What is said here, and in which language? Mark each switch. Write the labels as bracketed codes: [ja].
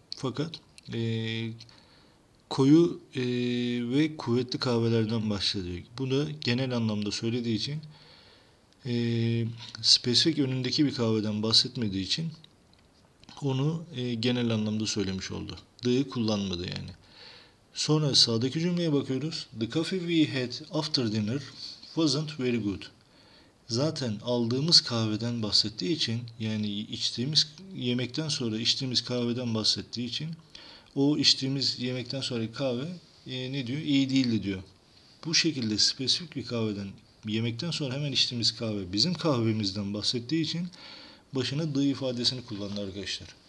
[tr] Fakat koyu ve kuvvetli kahvelerden bahsediyor. Bu da genel anlamda söylediği için spesifik önündeki bir kahveden bahsetmediği için onu genel anlamda söylemiş oldu. The'ı kullanmadı yani. Sonra sağdaki cümleye bakıyoruz. [en] The coffee we had after dinner wasn't very good. [tr] Zaten aldığımız kahveden bahsettiği için, yani içtiğimiz yemekten sonra içtiğimiz kahveden bahsettiği için, o içtiğimiz yemekten sonraki kahve ne diyor? İyi değildi diyor. Bu şekilde spesifik bir kahveden yemekten sonra hemen içtiğimiz kahve bizim kahvemizden bahsettiği için başına the ifadesini kullandı arkadaşlar.